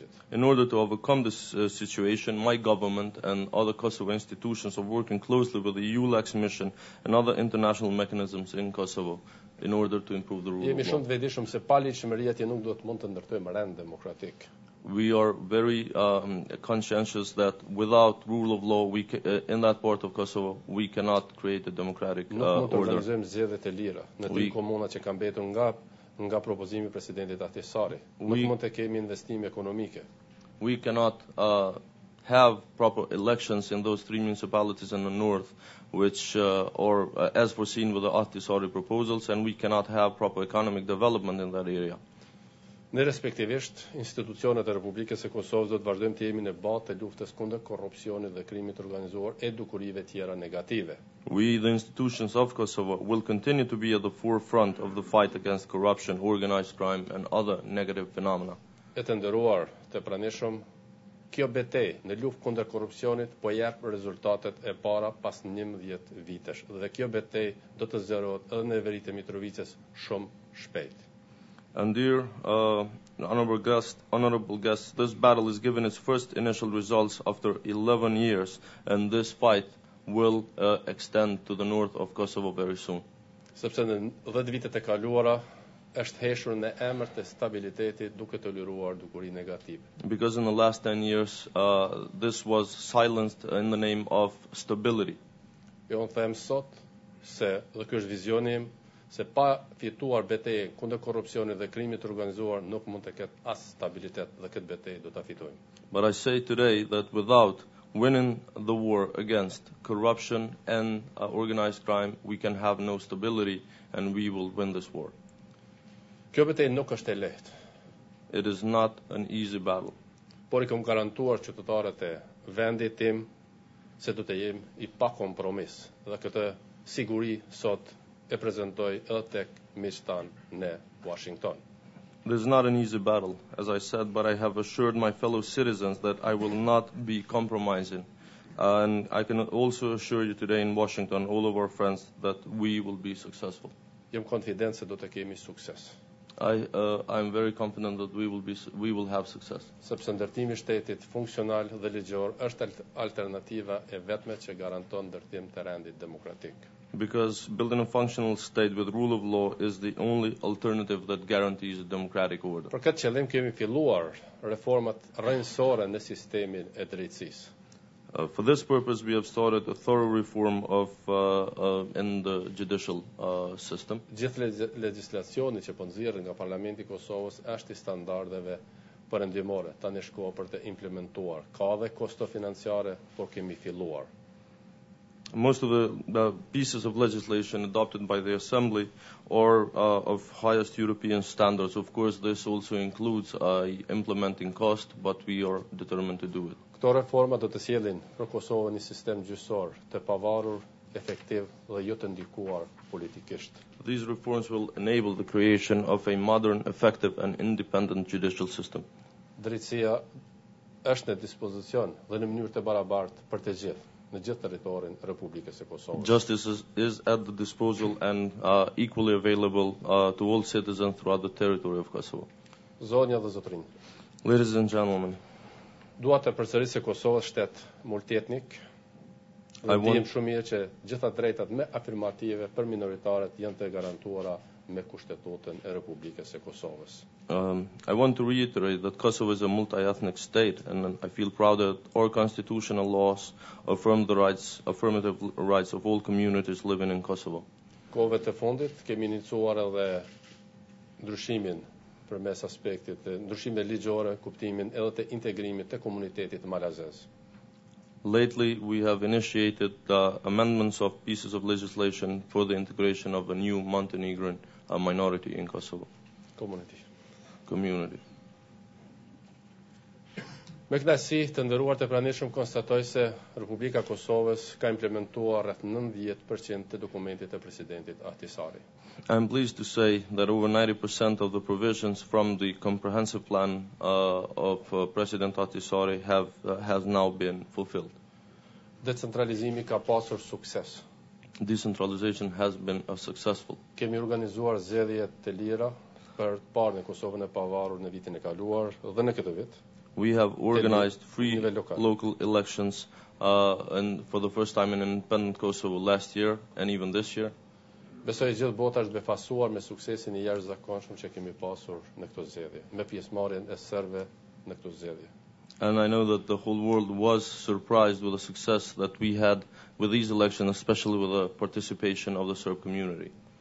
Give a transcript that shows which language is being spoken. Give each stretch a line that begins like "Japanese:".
English: In order to overcome this situation, my government and other Kosovo institutions are working closely with the ULEX mission and other international mechanisms in Kosovo in order to improve the rule of law. We are very conscientious that without rule of law in that part of Kosovo, we cannot create a democratic order.
Albanian: Nuk mund të organizojmë zgjedhje të lira në tri komuna që kanë mbetur nga propozimi i presidentit Ahtisaari. Nuk mund të kemi investime ekonomike.
English: We cannot have proper elections in those three municipalities in the north, which are as foreseen with the Ahtisaari proposals, and we cannot have proper economic development in that area.
Albanian: Ne respektivisht, institucionet e Republikës së Kosovës do të vazhdojmë të jemi në botë të luftës kundër korrupsionit dhe krimit organizuar e dukurive tjera negative.
English: We, the institutions of Kosovo, will continue to be at the forefront of the fight against corruption, organized crime and other negative phenomena.
Albanian: E të nderuar, të pranishëm, kjo betejë në luftë kundër korrupsionit po jep rezultatet e para pas 11 vitesh dhe kjo betejë do të zgjerohet edhe në veri të Mitrovicës shumë shpejt.
English: And dear honorable guests, this battle is given its first initial results after 11 years, and this fight will extend to the north of Kosovo very soon.
Albanian: Sepse në 10 vitet e kaluara, është heshur në emër të stabilitetit duke të liruar dukuri negative.
English: Because in the last 10 years this was silenced in the name of stability.
Albanian: E unë them sot se dhe ky është vizioni im se pa fituar betejën kundër korrupsionit dhe krimit të organizuar nuk mund të ketë as stabilitet dhe këtë betejë do ta fitojmë.
English: But I say today that without winning the war against corruption and organized crime we can have no stability and we will win this war.
Albanian: Kjo betejë nuk është e lehtë.
English: It is not an easy battle.
Albanian: Por I kam garantuar qytetarët e vendit tim se do të jem I pa kompromis dhe këtë siguri sot e prezentoj edhe tek miqtë tanë në Washington.
English: This is not an easy battle, as I said, but I have assured my fellow citizens that I will not be compromising. And I can also assure you today in Washington, all of our friends, that we will be successful.
Albanian: Jam konfident se do të kemi sukses.
English: I'm very confident that we will have success.
Albanian: Sepse ndërtimi I shtetit funksional dhe ligjor është alternativa e vetme që garanton ndërtim të rendit demokratik.
English: Because building a functional state with rule of law is the only alternative that guarantees a democratic order.
Albanian: Për këtë qëllim kemi filluar reformat rrënjësore në sistemin e drejtësisë.
English: For this purpose we have started a thorough reform of in the judicial system.
Albanian: Gjithë legjislacioni që po nxjerrë nga Parlamenti I Kosovës është I standardeve perëndimore. Tani është koha për të implementuar. Ka edhe kosto financiare, por kemi filluar.
English: Most of the pieces of legislation adopted by the Assembly are of highest European standards. Of course, this also includes implementing cost, but we are determined to do it.
Albanian: Këto reforma do të sjellin për Kosovë një sistem gjyqësor të pavarur, efektiv dhe jo të ndikuar politikisht.
English: These reforms will enable the creation of a modern, effective and independent judicial system.
Albanian: Drejtësia është në dispozicion dhe në mënyrë të barabartë për të gjithë. Në gjithë territorin Republikës së Kosovës.
English: Justice is at the disposal and equally available to all citizens throughout the territory of Kosovo.
Albanian: Zonja dhe zotrinj.
English: Ladies and gentlemen.
Albanian: Dua të përsëris se Kosova është shtet multietnik. Dim shumë mirë që gjitha drejtat me afirmative për minoritaret janë të garantuara me kushtetutën e Republikës së Kosovës.
English: I want to reiterate that Kosovo is a multi-ethnic state and I feel proud that our constitutional laws affirm the rights, affirmative rights of all communities living in Kosovo.
Albanian: Kove të fundit kemi iniciuar edhe ndryshimin përmes aspektit të ndryshimit ligjore, kuptimin edhe të integrimit të komunitetit malazez.
English: Lately, we have initiated amendments of pieces of legislation for the integration of a new Montenegrin minority in Kosovo. Community.
Albanian: Me kënaqësi të nderuar të pranishëm konstatoj se Republika e Kosovës ka implementuar rreth 90% të dokumentit të presidentit Ahtisaari.
English: I am pleased to say that over 90% of the provisions from the comprehensive plan of President Ahtisaari has now been fulfilled.
Albanian: Decentralizimi ka pasur sukses.
English: Decentralization has been a successful.
Albanian: Kemi organizuar zgjedhje të lira për të parë në Kosovën e pavarur në vitin e kaluar dhe në këtë vit.
English: We have organized free local elections and for the first time in independent Kosovo last year and even this year.
Albanian: Besoj se gjithë bota është befasuar me suksesin e jashtëzakonshëm që kemi pasur në këtë zgjedhje, me pjesëmarrjen e serbëve në këtë zgjedhje.
English: And I know that the whole world was surprised with the success that we had with these elections, especially with the participation of the Serb community.